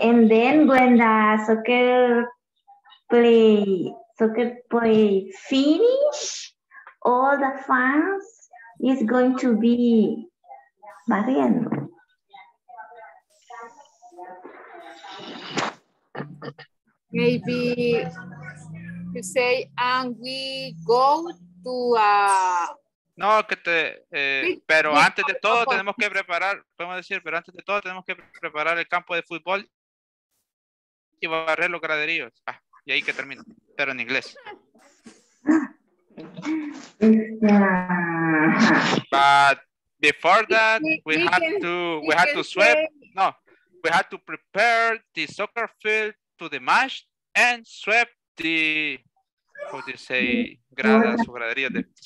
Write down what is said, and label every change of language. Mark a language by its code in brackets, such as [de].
[en] And then Brenda, soccer play finish, all the fans is going to be barriendo. Maybe you say, and we go to a... [es] No, que te, pero antes de todo tenemos que preparar, podemos decir, pero antes de todo tenemos que preparar el campo de fútbol y barrer los graderíos. Ah, y ahí que termina, pero en inglés. [en] But before that, we had to prepare the soccer field to the match and sweep the, how do you say, [es] gradas o graderías.